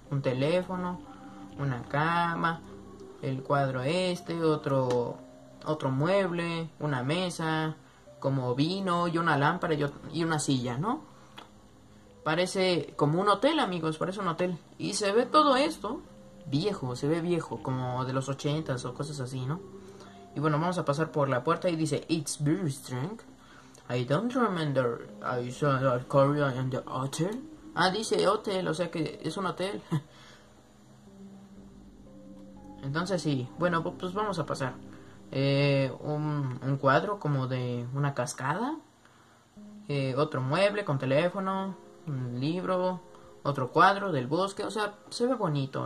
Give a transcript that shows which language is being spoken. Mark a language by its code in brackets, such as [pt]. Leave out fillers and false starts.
[es] Un teléfono, una cama, el cuadro este, otro mueble, una mesa. Como vino y una lámpara y una silla, ¿no? Parece como un hotel, amigos, parece un hotel. Y se ve todo esto viejo, se ve viejo, como de los 80s o cosas así, ¿no? Y bueno, vamos a pasar por la puerta y dice, [en] It's very strange. I don't remember I saw a courier in the hotel. [es] Ah, dice hotel, o sea que es un hotel. Entonces sí, bueno, pues vamos a pasar. Un cuadro como de una cascada. Otro mueble con teléfono. Un libro. Otro cuadro del bosque. O sea, se ve bonito.